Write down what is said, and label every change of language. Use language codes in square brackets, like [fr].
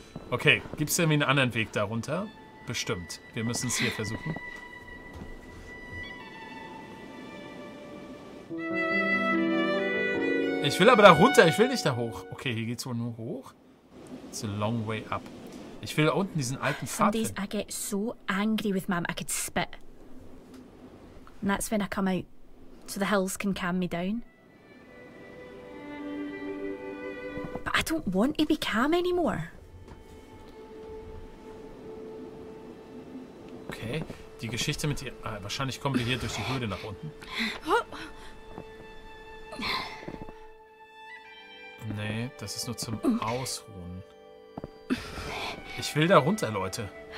[de] Okay, gibt es irgendwie einen anderen Weg darunter? Bestimmt. Wir müssen es hier versuchen. Ich will aber da runter. Ich will nicht da hoch. Okay, hier geht's wohl nur hoch. [en] It's a long way up. [de] Ich will da unten diesen alten Pfad. [en] Some days I get so angry with Mom, I could spit. And that's when I come out. So the hills can calm me down. I don't want to be calm anymore. [de] Okay, die Geschichte mit ihr. Ah, wahrscheinlich kommen wir hier durch die Höhle nach unten. Nee, das ist nur zum Ausruhen. Ich will da runter, Leute.